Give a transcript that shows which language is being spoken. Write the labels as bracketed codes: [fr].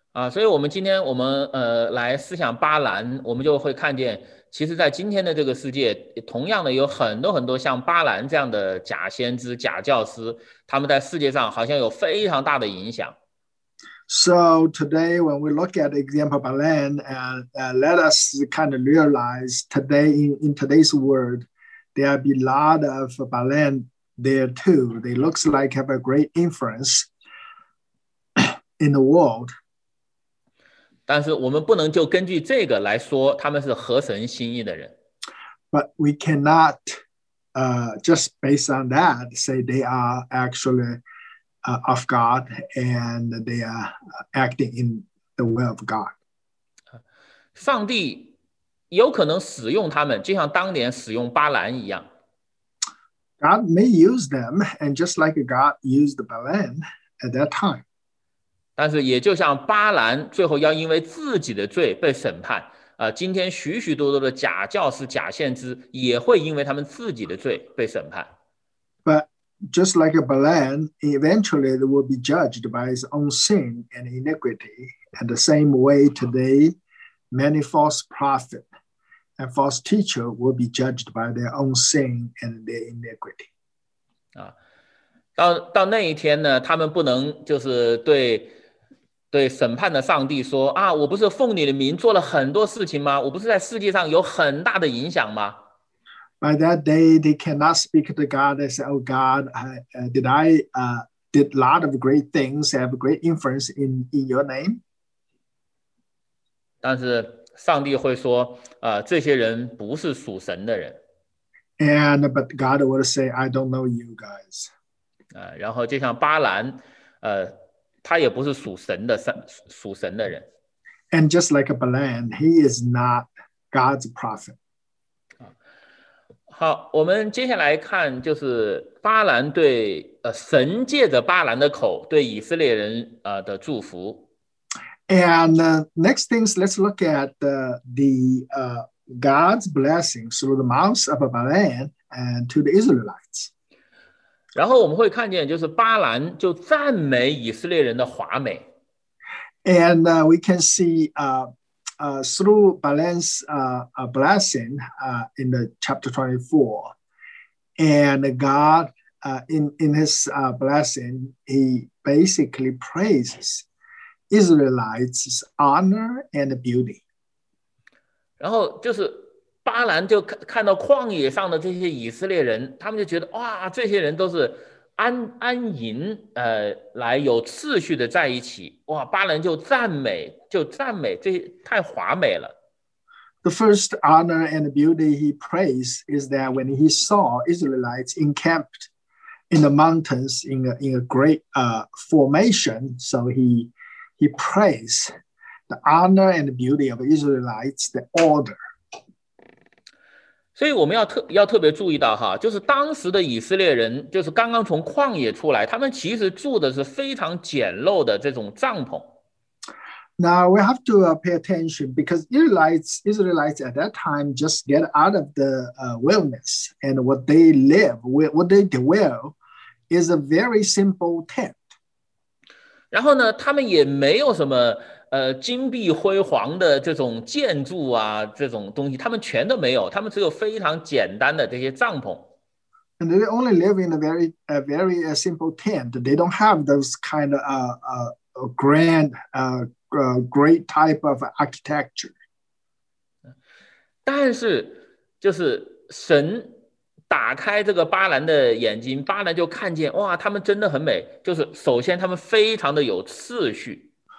[zh] 所以我们今天我们来思想巴兰，我们就会看见。其实在今天的这个世界，同样的有很多很多像巴兰这样的假先知、假教师，他们在世界上好像有非常大的影响。 [en] So today when we look at the example of Balaam, let us kind of realize today in today's world, there be a lot of Balaam there too. They looks like have a great influence in the world. [zh] 但是我们不能就根据这个来说他们是合神心意的人。 [en] But we cannot just based on that say they are actually of God and they are acting in the will of God. [zh] 上帝有可能使用他们，就像当年使用巴兰一样。 [en] God may use them, and just like God used Balaam at that time. [zh] 但是也就像巴兰最后要因为自己的罪被审判，今天许许多多的假教师、假先知也会因为他们自己的罪被审判。 [en] But just like Balaam, eventually they will be judged by his own sin and iniquity. And the same way today, many false prophets and false teachers will be judged by their own sin and their iniquity. [zh] 到那一天呢，他们不能就是对审判的上帝说啊，我不是奉你的名做了很多事情吗？我不是在世界上有很大的影响吗？ [en] By that day, they cannot speak to God. They say, "Oh God, did a lot of great things, have great influence in your name." [zh] 但是上帝会说，这些人不是属神的人。 [en] But God would say, "I don't know you guys." [zh] 然后就像巴兰，他也不是属神的人。 [en] And just like Balaam, he is not God's prophet. [zh] 好，我们接下来看就是巴兰对神借着巴兰的口对以色列人的祝福。 [en] And next things, let's look at God's blessings through the mouth of Balaam and to the Israelites. [zh] 然后我们会看见，就是巴兰就赞美以色列人的华美。 [en] And we can see through Balaam's blessing in the chapter 24, and God in his blessing, he basically praises Israelites' honor and beauty. [zh] 然后就是巴兰就看到旷野上的这些以色列人，他们就觉得哇，这些人都是安营来有秩序的在一起。哇，巴兰就赞美这些太华美了。 [en] The first honor and beauty he praised is that when he saw Israelites encamped in the mountains in a great formation, so he praised the honor and beauty of Israelites, the order. [zh] 所以我们要特别注意到哈，就是当时的以色列人就是刚刚从旷野出来，他们其实住的是非常简陋的这种帐篷。 [en] Now we have to pay attention because Israelites at that time just get out of the wilderness and what they live, what they dwell is a very simple tent. [zh] 然后呢，他们也没有什么金碧辉煌的这种建筑啊，这种东西他们全都没有，他们只有非常简单的这些帐篷。 [en] And they only live in a very simple tent. They don't have those kind of great type of architecture. [zh] 但是就是神打开这个巴兰的眼睛，巴兰就看见哇，他们真的很美。就是首先他们非常的有秩序。